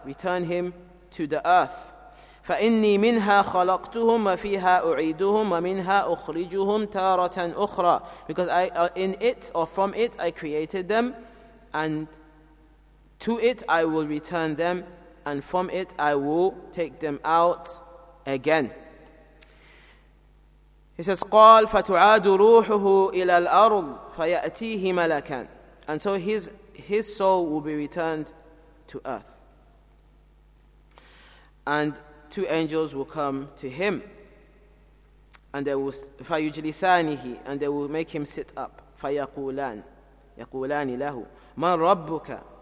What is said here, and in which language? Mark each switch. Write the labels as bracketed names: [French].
[English] Return him to the earth. [Arabic] فَإِنِّي مِنْهَا خَلَقْتُهُمْ وَفِيهَا أُعِيدُهُمْ وَمِنْهَا أُخْرِجُهُمْ تَارَةً أُخْرَى. [English] Because from it I created them, and to it I will return them, and from it I will take them out again. He says, [Arabic] قَالْ فَتُعَادُ رُوحُهُ إِلَى الْأَرْضِ فَيَأْتِيهِ مَلَكًا. [English] And so his soul will be returned to earth, and two angels will come to him, and they will [Arabic] فَيُجْلِسَانِهِ, [English] and they will make him sit up. [Arabic] فَيَقُولَانِ لَهُ مَنْ رَبُّكَ.